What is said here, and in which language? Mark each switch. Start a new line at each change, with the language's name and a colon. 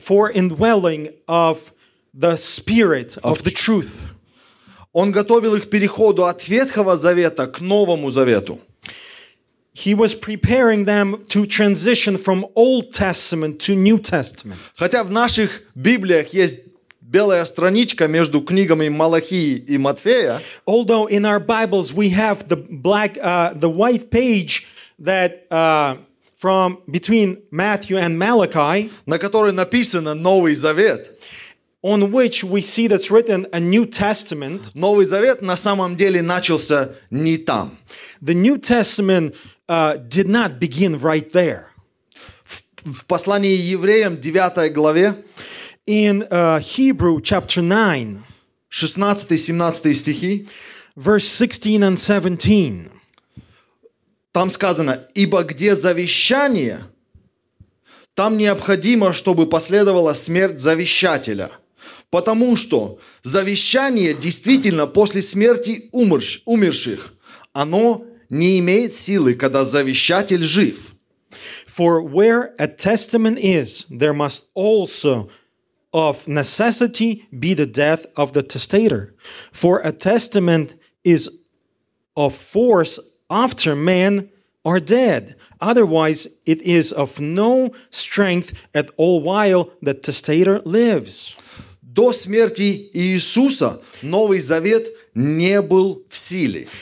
English: For indwelling of the Spirit of the truth.
Russian: Он готовил их к переходу от Ветхого Завета к Новому Завету.
English: He was preparing them to transition from Old Testament to New Testament.
Russian: Хотя в наших Библиях есть белая страничка между книгами Малахии и Матфея.
English: Although in our Bibles we have the black, the white page that from between Matthew and Malachi,
Russian: на которой написано Новый Завет.
English: On which we see that's written a New Testament.
Russian: Новый Завет на самом деле начался не там.
English: The New Testament did not begin right there.
Russian: В послании евреям, 9 главе.
English: In Hebrew, chapter 9.
Russian: 16-17 стихи.
English: Verse 16 and 17.
Russian: Там сказано, ибо где завещание, там необходимо, чтобы последовала смерть завещателя. Потому что завещание действительно после смерти умерших, оно не имеет силы, когда завещатель жив.
English: For where a testament is, there must also of necessity be the death of the testator. For a testament is of force after men are dead. Otherwise, it is of no strength at all while the testator lives.
Russian: до смерти Иисуса Новый Завет не был в силе.